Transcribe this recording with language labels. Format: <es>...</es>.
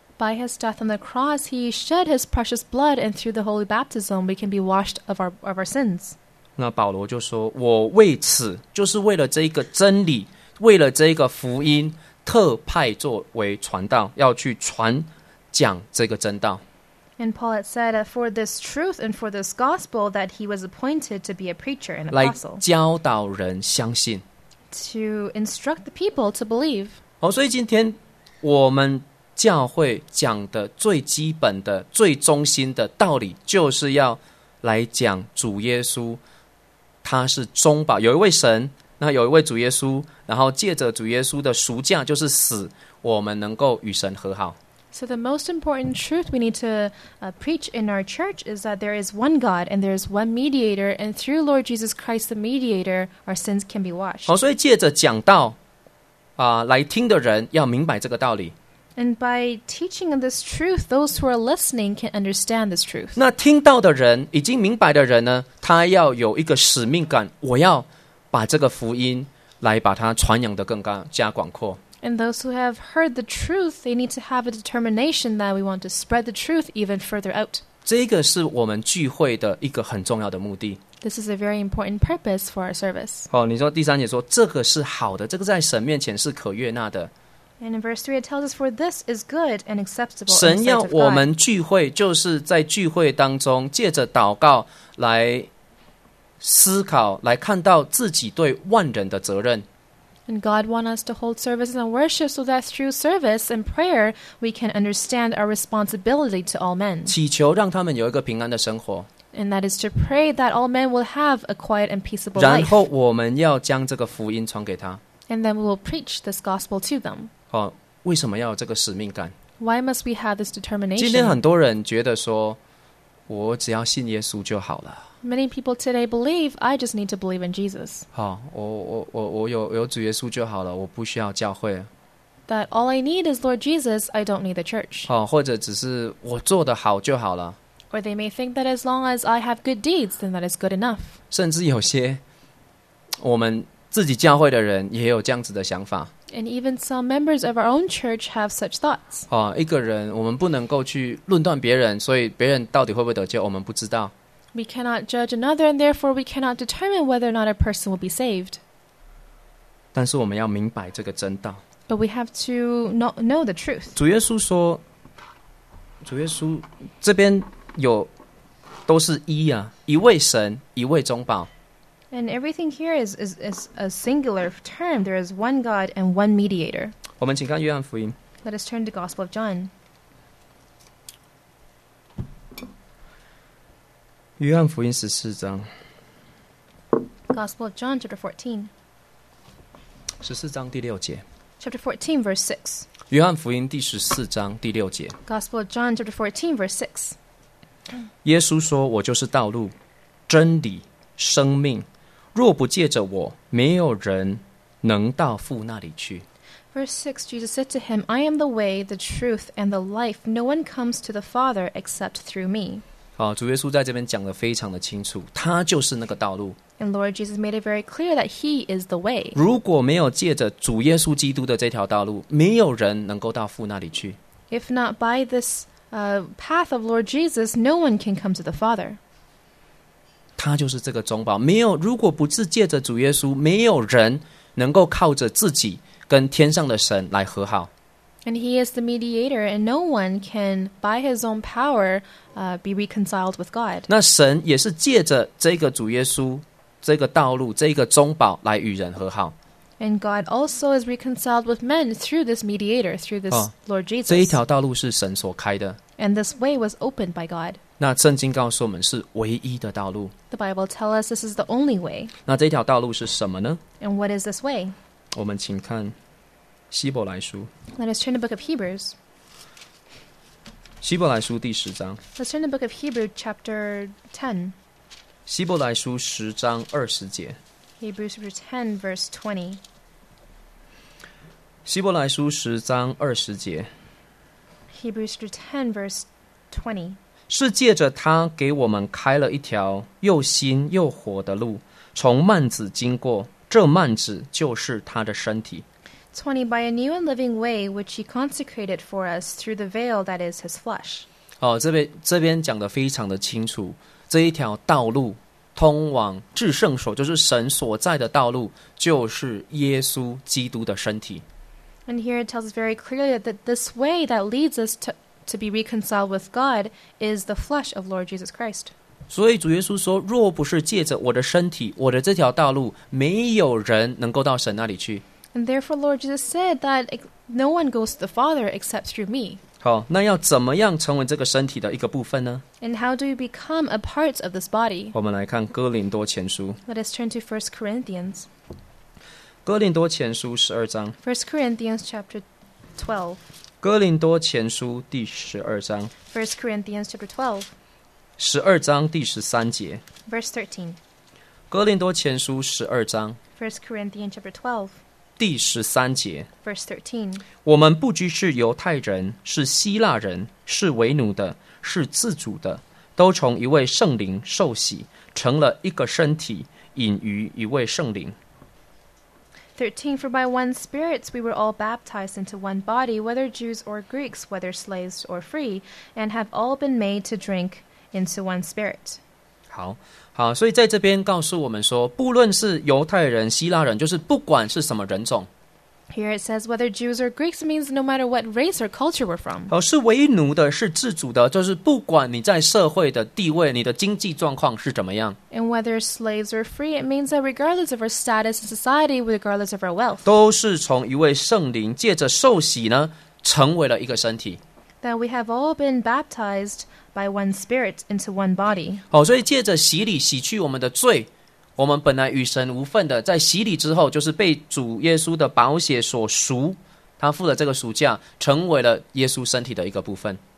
<en>By his death on the cross, he shed his precious blood, and through the holy baptism, we can be washed of our sins.</en> <zh>那保罗就说，我为此，就是为了这个真理，为了这个福音，特派作为传道，要去传讲这个真道。</zh> <en>And Paul had said for this truth and for this gospel that he was appointed to be a preacher and apostle.</en> <zh>来教导人相信。</zh> <en>To instruct the people to believe.</en> <zh>好，所以今天我们教会讲的最基本的最中心的道理就是要来讲主耶稣他是中保，有一位神，那有一位主耶稣，然后借着主耶稣的赎价就是死，我们能够与神和好。</zh> <en>So the most important truth we need to preach in our church is that there is one God and there is one mediator, and through Lord Jesus Christ the mediator, our sins can be washed.</en> <zh>好，所以借着讲道来听的人要明白这个道理。</zh> <en>And by teaching this truth, those who are listening can understand this truth.</en> <zh>那听到的人，已经明白的人呢，他要有一个使命感，我要把这个福音来把它传扬得更加广阔。</zh> <en>And those who have heard the truth, they need to have a determination that we want to spread the truth even further out.</en> <zh>这个是我们聚会的一个很重要的目的。</zh> <en>This is a very important purpose for our service.</en> <zh>哦，你说第三节说这个是好的，这个在神面前是可悦纳的。</zh> <en>And in verse 3 it tells us, for this is good and acceptable.</en> <zh>神要我们聚会，就是在聚会当中借着祷告来思考，来看到自己对万人的责任。</zh> <en>And God wants us to hold service and worship so that through service and prayer, we can understand our responsibility to all men.</en> <zh>祈求让他们有一个平安的生活。</zh> <en>And that is to pray that all men will have a quiet and peaceable life.</en> <zh>然后我们要将这个福音传给他。</zh> <en>And then we will preach this gospel to them.</en> <zh>哦，为什么要有这个使命感？</zh> <en>Why must we have this determination?</en> <zh>今天很多人觉得说，我只要信耶稣就好了。</zh> <en>Many people today believe, I just need to believe in Jesus.</en> <zh>好，我有主耶稣就好了，我不需要教会。</zh> <en>That all I need is Lord Jesus, I don't need the church.</en> <zh>好，或者只是我做得好就好了。</zh> <en>Or they may think that as long as I have good deeds, then that is good enough.</en> <zh>甚至有些我们自己教会的人也有这样子的想法。</zh> <en>And even some members of our own church have such thoughts.</en> <zh>好，一个人，我们不能够去论断别人，所以别人到底会不会得救，我们不知道。</zh> <en>We cannot judge another, and therefore we cannot determine whether or not a person will be saved.</en> <zh>但是我们要明白这个真道。</zh> <en>But we have to know the truth.</en> <zh>主耶稣说，主耶稣这边有都是一啊，一位神，一位中保。</zh> <en>And everything here is a singular term. There is one God and one mediator.</en> <zh>我们请看约翰福音。</zh> <en>Let us turn to the Gospel of John.</en> <zh>约翰福音十四章</zh> <en>Gospel of John chapter 14</en> <zh>十四章第六节</zh> <en>Chapter 14 verse 6</en> <zh>约翰福音第十四章第六节</zh> <en>Gospel of John chapter 14 verse 6</en> <zh>耶稣说我就是道路真理生命若不借着我没有人能到父那里去</zh> <en>Verse 6 Jesus said to him I am the way the truth and the life no one comes to the father except through me</en> <zh>好，主耶稣在这边讲得非常的清楚，他就是那个道路。</zh> <en>And Lord Jesus made it very clear that He is the way.</en> <zh>如果没有借着主耶稣基督的这条道路，没有人能够到父那里去。</zh> <en>If not by this path of Lord Jesus, no one can come to the Father.</en> <zh>他就是这个中保，没有如果不是借着主耶稣，没有人能够靠着自己跟天上的神来和好。</zh> <en>And he is the mediator, and no one can, by his own power, be reconciled with God.</en> <zh>那神也是借着这个主耶稣、这个道路、这个中保来与人和好。</zh> <en>And God also is reconciled with men through this mediator, through this Lord Jesus.</en> <zh>这一条道路是神所开的。</zh> <en>And this way was opened by God.</en> <zh>那圣经告诉我们是唯一的道路。</zh> <en>The Bible tells us this is the only way.</en> <zh>那这条道路是什么呢？</zh> <en>And what is this way?</en> <zh>我们请看。希伯来书</zh> <en>Let us turn the book of Hebrews</en> <zh>希伯来书第十章</zh> <en>Let's turn the book of Hebrews chapter 10</en> <zh>希伯来书十章二十节</zh> <en>Hebrews 10 verse 20</en> <zh>希伯来书十章二十节</zh> <en>Hebrews 10 verse</en> <zh>20是借着他给我们开了一条又新又活的路从幔子经过这幔子就是他的身体</zh> <en>20 by a new and living way which he consecrated for us through the veil that is his flesh.</en> <zh>哦，这边讲得非常的清楚，这一条道路通往至圣所，就是神所在的道路，就是耶稣基督的身体。</zh> <en>And here it tells us very clearly that this way that leads us to be reconciled with God is the flesh of Lord Jesus Christ.</en> <zh>所以主耶稣说，若不是借着我的身体，我的这条道路，没有人能够到神那里去。</zh> <en>And therefore, Lord Jesus said that no one goes to the Father except through me.</en> <zh>好，那要怎么样成为这个身体的一个部分呢？</zh> <en>And how do you become a part of this body?</en> <zh>我们来看哥林多前书。</zh> <en>Let us turn to 1 Corinthians.</en> <zh>哥林多前书十二章。</zh> <en>1 Corinthians chapter 12.</en> <zh>哥林多前书第十二章。</zh> <en>1 Corinthians chapter 12.</en> <zh>十二章第十三节。</zh> <en>Verse 13.</en> <zh>哥林多前书十二章。</zh> <en>1 Corinthians chapter 12.</en> <zh>第十三节</zh> <en>Verse 13</en> <zh>我们不拘是犹太人是希腊人是为奴的是自主的都从一位圣灵受洗成了一个身体隐于一位圣灵</zh> <en>13, for by one spirit we were all baptized into one body, whether Jews or Greeks, whether slaves or free, and have all been made to drink into one spirit.</en> <zh>好, 好，所以在这边告诉我们说，不论是犹太人、希腊人，就是不管是什么人种。</zh> <en>Here it says whether Jews or Greeks means no matter what race or culture we're from.</en> <zh>哦，是为奴的，是自主的，就是不管你在社会的地位，你的经济状况是怎么样。</zh> <en>And whether slaves or free, it means that regardless of our status in society, regardless of our wealth,</en> <zh>都是从一位圣灵借着受洗呢，成为了一个身体。</zh> <en>That we have all been baptized by one spirit into one body.</en> <zh>哦，所以借着洗礼洗去我们的罪。我们本来与神无份的，在洗礼之后，就是被主耶稣的宝血所赎，他付了这个赎价，成为了耶稣身体的一个部分。</zh>